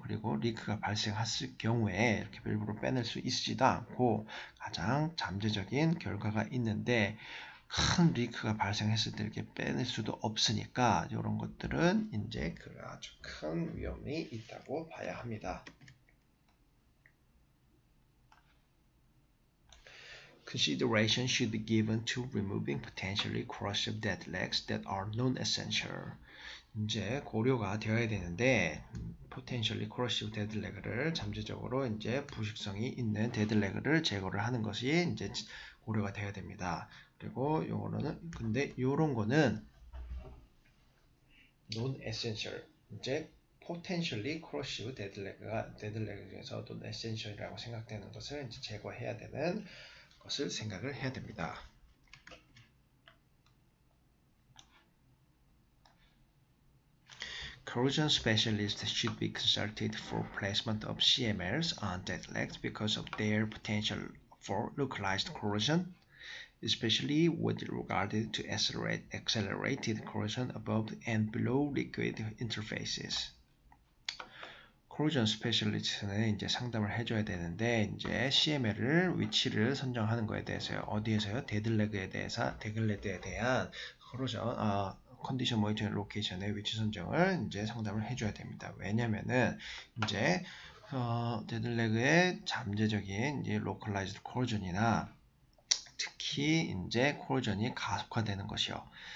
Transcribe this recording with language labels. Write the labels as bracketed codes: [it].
[ko] 그리고 리크가 발생했을 경우에 이렇게 밸브로 빼낼 수 있지도 않고 가장 잠재적인 결과가 있는데 큰 리크가 발생했을 때 이렇게 빼낼 수도 없으니까 이런 것들은 이제 그 아주 큰 위험이 있다고 봐야 합니다. [en] Consideration should be given to removing potentially corrosive dead legs that are non-essential. [ko] 이제 고려가 되어야 되는데 [en] potentially corrosive dead leg를 [ko] 잠재적으로 이제 부식성이 있는 dead leg를 제거를 하는 것이 이제 고려가 되어야 됩니다. 그리고 요거는 근데 요런 거는 non-essential 이제 [en] potentially corrosive dead leg [ko] 중에서 non-essential이라고 생각되는 것을 이제 제거해야 되는 것을 생각을 해야 됩니다. [en] 코로전 스페셜리스트 should be consulted for placement of CMLs on dead legs because of their potential for localized corrosion, especially with regard to accelerated corrosion above and below liquid interfaces. [ko] 코로전 스페셜리스트는 이제 상담을 해줘야 되는데 이제 CML을 위치를 선정하는 거에 대해서요. 어디에서요? 데드레그에 대해서, 데글레드에 대한 코로전 컨디션 모니터링 로케이션의 위치 선정을 이제 상담을 해줘야 됩니다. 왜냐면은 이제 데드레그의 잠재적인 이제 로컬라이즈드 코로전이나 특히 이제 코로전이 가속화되는 것이요.